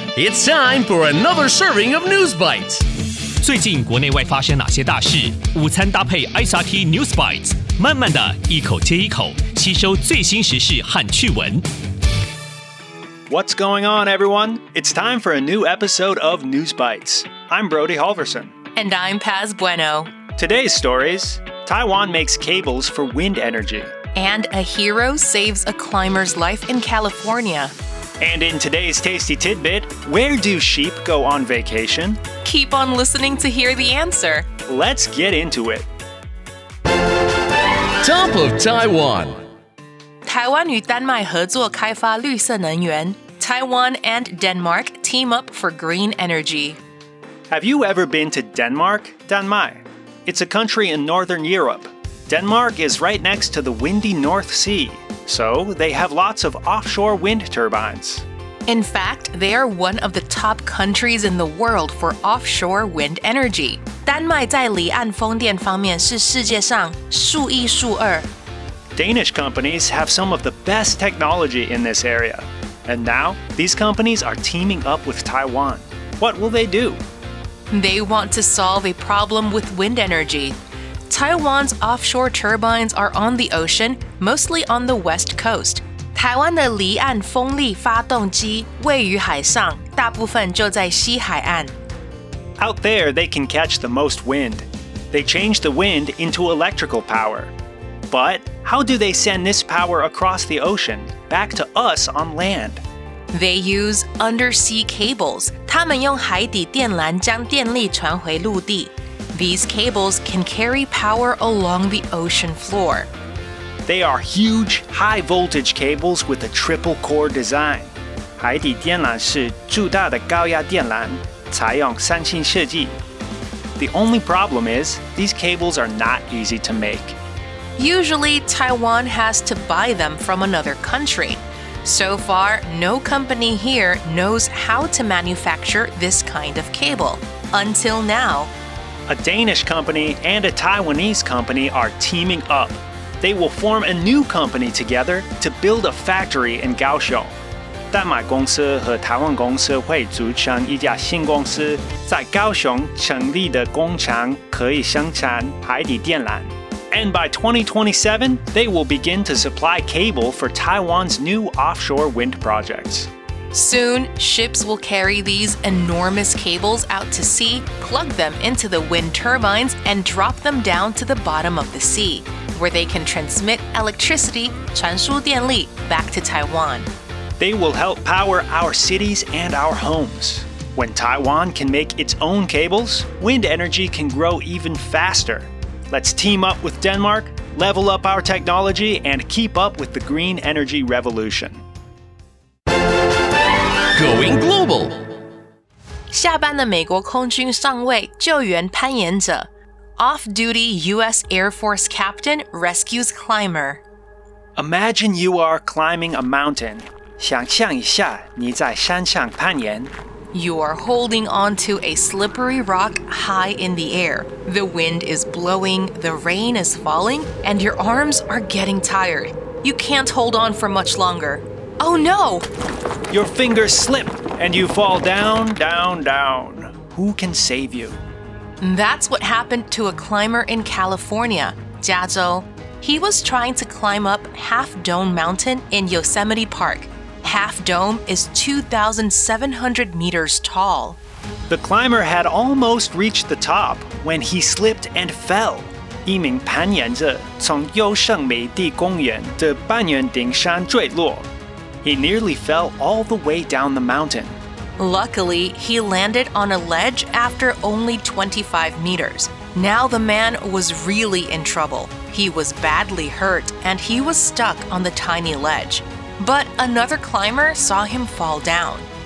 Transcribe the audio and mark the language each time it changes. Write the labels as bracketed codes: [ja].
[en] It's time for another serving of News Bites. [zh] 最近国内外发生哪些大事？午餐搭配 SRT News Bites， 慢慢的一口接一口，吸收最新时事和趣闻。 [en] What's going on, everyone? It's time for a new episode of News Bites. I'm Brody Halverson. And I'm Paz Bueno. Today's stories: Taiwan makes cables for wind energy. And a hero saves a climber's life in California. And in today's Tasty Tidbit, where do sheep go on vacation? Keep on listening to hear the answer. Let's get into it. Top of Taiwan. [zh] 台湾与丹麦合作开发绿色能源。 [en] Taiwan and Denmark team up for green energy. Have you ever been to Denmark, Danmai? It's a country in Northern Europe. Denmark is right next to the windy North Sea, so they have lots of offshore wind turbines. In fact, they are one of the top countries in the world for offshore wind energy. [zh] 丹麦在离岸风电方面是世界上数一数二。 [en] Danish companies have some of the best technology in this area. And now, these companies are teaming up with Taiwan. What will they do? They want to solve a problem with wind energy. Taiwan's offshore turbines are on the ocean, mostly on the west coast. [zh] 台湾的离岸风力发动机位于海上，大部分就在西海岸。 [en] Out there, they can catch the most wind. They change the wind into electrical power. But how do they send this power across the ocean, back to us on land? They use undersea cables. [zh] 他们用海底电缆将电力传回陆地。 [en] These cables can carry power along the ocean floor. They are huge, high-voltage cables with a triple-core design. [zh] 海底电缆是巨大的高压电缆，采用三芯设计。 [en] The only problem is, these cables are not easy to make. Usually, Taiwan has to buy them from another country. So far, no company here knows how to manufacture this kind of cable. Until now. A Danish company and a Taiwanese company are teaming up. They will form a new company together to build a factory in Kaohsiung. [zh] 丹麦公司和台湾公司会组成一家新公司，在高雄成立的工厂可以生产海底电缆。 [en] And by 2027, they will begin to supply cable for Taiwan's new offshore wind projects. Soon, ships will carry these enormous cables out to sea, plug them into the wind turbines, and drop them down to the bottom of the sea, where they can transmit electricity, [zh] 传输电力, [en] back to Taiwan. They will help power our cities and our homes. When Taiwan can make its own cables, wind energy can grow even faster. Let's team up with Denmark, level up our technology, and keep up with the green energy revolution. Going global. [zh] 下班的美国空军上尉救援攀岩者 [en] Off-duty U.S. Air Force captain rescues climber. Imagine you are climbing a mountain. [zh] 想象一下你在山上攀岩。 [en] You are holding onto a slippery rock high in the air. The wind is blowing, the rain is falling, and your arms are getting tired. You can't hold on for much longer. Oh no! Your fingers slip, and you fall down, down, down. Who can save you? That's what happened to a climber in California, 加州. He was trying to climb up Half Dome Mountain in Yosemite Park. Half Dome is 2,700 meters tall. The climber had almost reached the top when he slipped and fell. [zh] 一名攀岩者从优胜美地公园的半圆顶山坠落。 [en] He nearly fell all the way down the mountain. Luckily, he landed on a ledge after only 25 meters. Now the man was really in trouble. He was badly hurt and he was stuck on the tiny ledge. But another climber saw him fall down.